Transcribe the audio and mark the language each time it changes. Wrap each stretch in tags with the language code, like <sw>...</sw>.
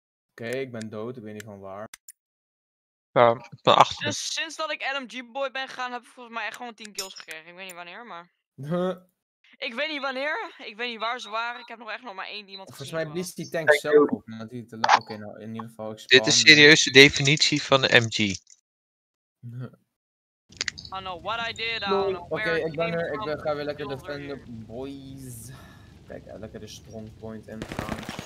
<nl>Oké, ik ben dood, ik weet niet van waar. Ja, ik ben achter. Dus sinds dat ik LMG boy ben gegaan, heb ik volgens mij echt gewoon 10 kills gekregen. Ik weet niet wanneer, maar... Ik weet niet wanneer, ik weet niet waar ze waren, ik heb nog echt nog maar één iemand gezien. Volgens mij blies die tank zelf op, omdat hij te laat. Oké, nou, in ieder geval, ik spawn. Dit is serieus de definitie van de MG.</nl> <en>I don't know what I did, I don't know where.</en> <nl>Oké, ik ben er, ik ga weer lekker defenden, boys. Kijk, lekker de strong point in gaan.</nl>